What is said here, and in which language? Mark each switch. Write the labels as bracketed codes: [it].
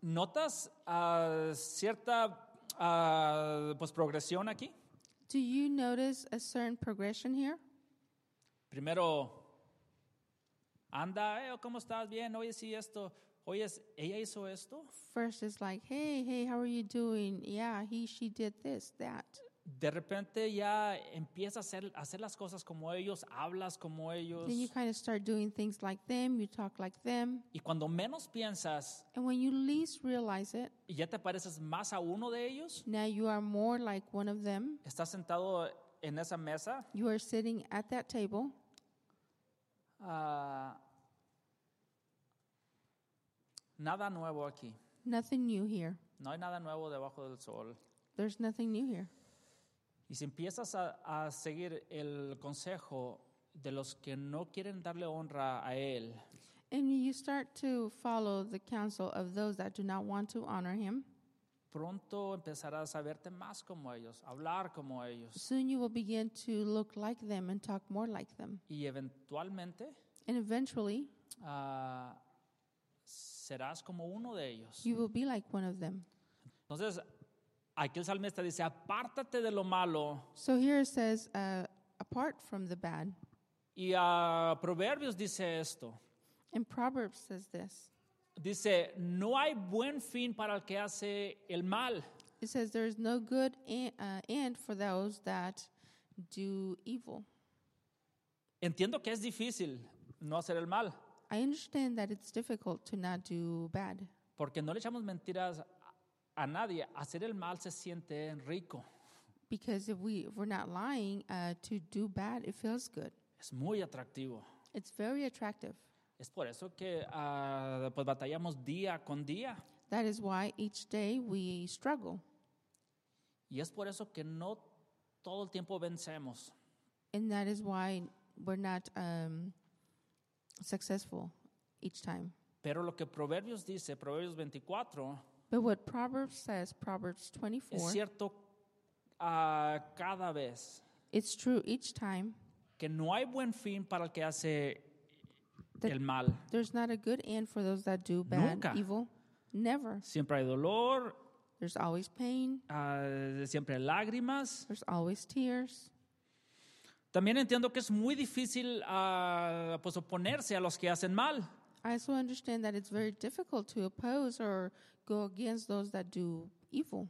[es] ¿Notas cierta pues progresión aquí? [en] Do you notice a certain progression here? [es] Primero, anda, ¿cómo estás? Bien, oye, sí, esto. Oye, ¿ella hizo esto? [en] First, it's like, hey, how are you doing? Yeah, she did this, that. [es] de repente ya empiezas a hacer las cosas como ellos, hablas como ellos. [en] Then you kind of start doing things like them, you talk like them. [es] Y cuando menos piensas, [en] and when you least realize it, [es] ya te pareces más a uno de ellos. [en] Now you are more like one of them. [es] Estás sentado en esa mesa. [en] You are sitting at that table. [es] Nada nuevo aquí. [en] Nothing new here. [es] No hay nada nuevo debajo del sol. [en] There's nothing new here. [es] Y si empiezas a seguir el consejo de los que no quieren darle honra a él. [en] And you start to follow the counsel of those that do not want to honor him. [es] Pronto empezarás a verte más como ellos, hablar como ellos. [en] Soon you will begin to look like them and talk more like them. [es] Y eventualmente. [en] And eventually. [es] Serás como uno de ellos. [en] You will be like one of them. [es] Entonces, aquí el salmista dice, apártate de lo malo. [en] So here it says, apart from the bad. [es] Y Proverbios dice esto. [en] And Proverbs says this. [es] Dice, no hay buen fin para el que hace el mal. [en] It says, there is no good end for those that do evil. [es] Entiendo que es difícil no hacer el mal. [en] I understand that it's difficult to not do bad. [es] Porque no le echamos mentiras a nadie. Hacer el mal se siente rico. [en] Because if we're not lying, to do bad, it feels good. [es] Es muy atractivo. [en] It's very attractive. [es] Es por eso que pues batallamos día con día. [en] That is why each day we struggle. [es] Y es por eso que no todo el tiempo vencemos. [en] And that is why we're not successful each time. [es] Pero lo que Proverbios dice, Proverbios 24. [en] But what Proverbs says, Proverbs 24. [es] Es cierto cada vez. [en] It's true each time. [es] Que no hay buen fin para el que hace el mal. [en] There's not a good end for those that do bad. [es] Nunca. [en] Evil. Never. [es] Siempre hay dolor. [en] There's always pain. [es] Siempre hay lágrimas. [en] There's always tears. [es] También entiendo que es muy difícil pues oponerse a los que hacen mal. [en] I also understand that it's very difficult to oppose or go against those that do evil.